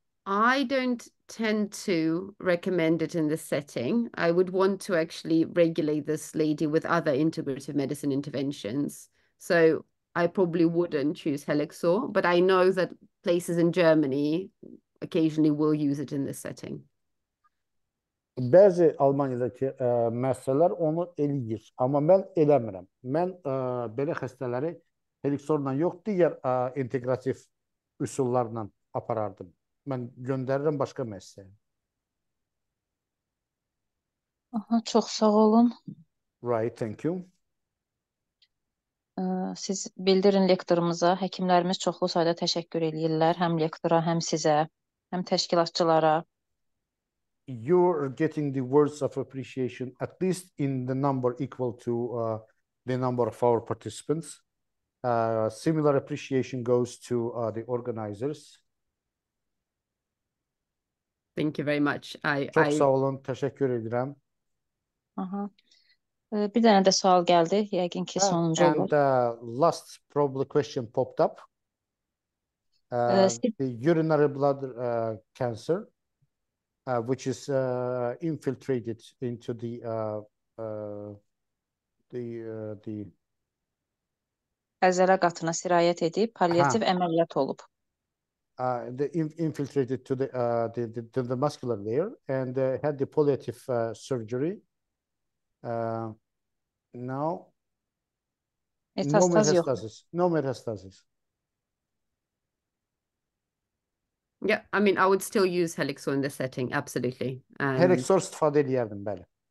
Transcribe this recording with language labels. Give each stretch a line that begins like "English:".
English: I don't tend to recommend it in this setting. I would want to actually regulate this lady with other integrative medicine interventions. So I probably wouldn't choose Helixor, but I know that places in Germany occasionally will use it in this setting.
Azerbaijani: Bəzi Almanya'daki müəssisələr onu eləyir. Amma mən eləmirəm. Mən belə xəstələri Helixorla yox, digər inteqrativ üsullarla aparardım. Mən göndərirəm başqa müəssisəyə. Aha, çox sağ olun.
English: Right, thank you.
Azerbaijani: Siz bildirin lektorumuza. Həkimlərimiz çoxlu sayda təşəkkür edirlər, həm lektora, həm sizə, həm təşkilatçılara.
English: You are getting the words of appreciation at least in the number equal to the number of our participants. Similar appreciation goes to the organizers. Thank you very much.
Azerbaijani: Çox sağ olun, təşəkkür edirəm. Bir dənə də sual gəldi, yəqin ki sonuncu
English: and
Azerbaijani: olur.
English: The last probably question popped up. The urinary blood cancer. Which is infiltrated into the
Azerbaijani: əzələ qatına sirayət edib palliativ əməliyyat olub.
English: The infiltrated to the muscular layer and had the palliative surgery. Now no metastasis. No metastasis. Yeah, I mean, I would still use Helixor in this setting, absolutely.
Azerbaijani: Helixor istifadə edərdim, bəli.